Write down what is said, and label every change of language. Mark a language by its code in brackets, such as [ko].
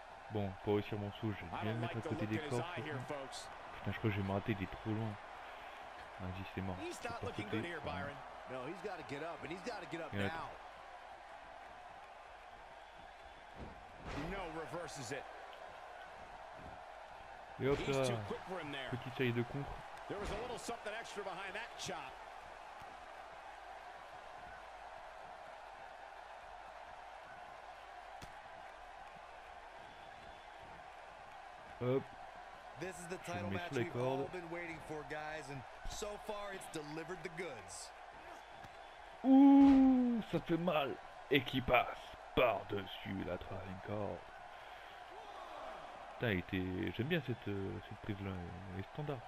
[fr] Bon, pour réussir mon saut, je vais bien mettre à côté des corps. Putain, je crois que je vais me rater, il est trop loin. Vas-y, c'est mort. [en] He's not looking good here, Byron. No, he's gotta get up, and he's gotta get up now. No, reverses it. [fr] Et hop là, petite série de contre. [en] There was a little something extra behind that chop. Hop. This is the title match we've all been waiting for, guys, and so far it's delivered the goods. [fr] Ouh, ça fait mal. Et qui passe par-dessus la troisième corde. Putain, j'aime bien cette prise là, elle est standard.